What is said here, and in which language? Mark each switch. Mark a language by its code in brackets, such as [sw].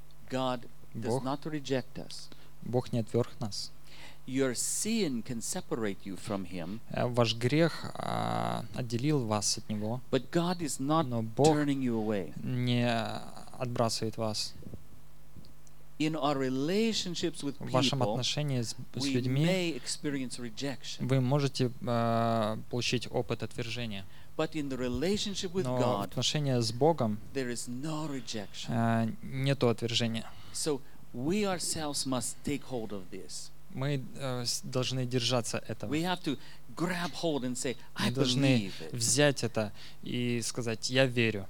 [en] God [ru] Бог, [en] does not reject us. [ru] Бог не отверг нас. [en] Your sin can separate you from Him. [ru] Ваш грех отделил вас от Него. [en] But God is not [ru] но Бог [en] turning you away. [ru] Не отбрасывает вас. [en] In our relationships with people, [ru] в вашем отношении с людьми [en] may experience rejection. [ru] Вы можете получить опыт отвержения. [en] But in the relationship with [ru] но [en] God, [ru] в отношении с Богом [en] there is no rejection. [ru] Нету отвержения. [en] So we ourselves must take hold of this. [ru] Мы должны держаться этого. [en] We have to grab hold and say, I believe it. [ru] Мы должны взять это и сказать, я верю.